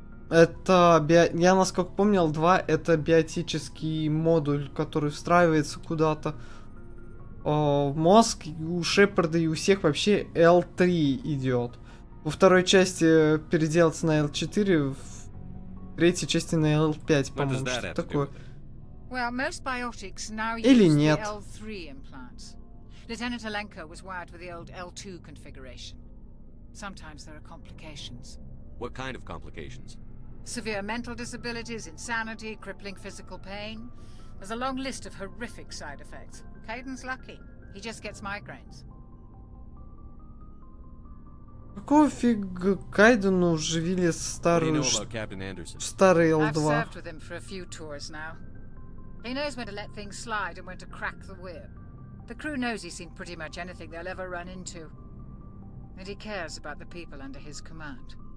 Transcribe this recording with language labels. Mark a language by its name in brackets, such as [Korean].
[Russian] Это, я насколько помню, L2 это биотический модуль, который встраивается куда-то в мозг, и у Шепарда и у всех вообще L3 идет. Во второй части переделаться на L4, в третьей части на L5, по-моему, что-то такое. [English] Well, most biotics now use [Russian] Или нет. [English] L3 implants. Lieutenant Alenko was wired with the old L2 configuration. Sometimes there are complications. What kind of complications? Severe mental disabilities, insanity, crippling physical pain. There's a long list of horrific side effects. Caden's lucky. He just gets migraines. [Russian] Какого фига Кайдену оживили старую старый L2? [English] I've served with him for a few tours now. He knows when to let things slide and when to crack the whip. The crew knows he's seen pretty much anything they'll ever run into. And he cares about the people under his command.